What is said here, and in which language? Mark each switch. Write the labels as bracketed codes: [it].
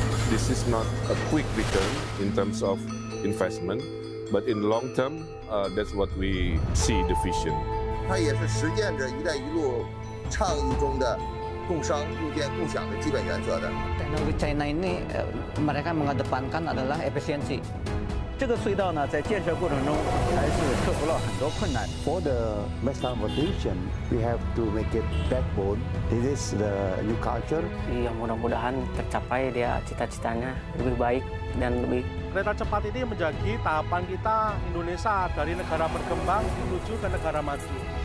[en] this is not a quick return in terms of investment, but in long term, that's what we see the vision. [zh] 它也是实践着一带一路倡议中的共商共建共享的基本原则的。 [id] Teknologi China ini mereka mengedepankan adalah efisiensi. [zh] 这个隧道呢，在建设过程中还是克服了很多困难。 [en] For the mass transportation, we have to make it backbone. This is the new culture. [id] Yang mudah-mudahan tercapai dia cita-citanya lebih baik dan lebih. Kereta cepat ini menjadi tahapan kita Indonesia dari negara berkembang menuju ke negara maju.